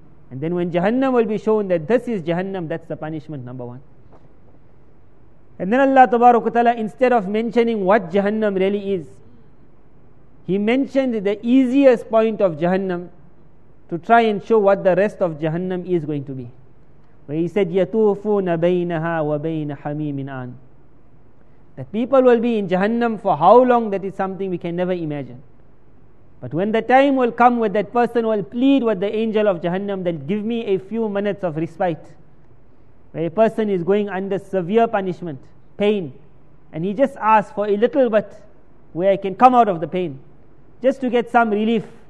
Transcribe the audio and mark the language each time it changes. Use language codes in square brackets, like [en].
[en] And then when Jahannam will be shown that this is Jahannam, that's the punishment number one. And then Allah Tabarak wa Ta'ala, instead of mentioning what Jahannam really is, he mentioned the easiest point of Jahannam to try and show what the rest of Jahannam is going to be. Where he said, [ar] يَتُوفُونَ بَيْنَهَا وَبَيْنَ حَمِيمٍ آن. [en] That people will be in Jahannam for how long, that is something we can never imagine. But when the time will come where that person will plead with the angel of Jahannam, then give me a few minutes of respite. Where a person is going under severe punishment, pain, and he just asks for a little bit where I can come out of the pain, just to get some relief.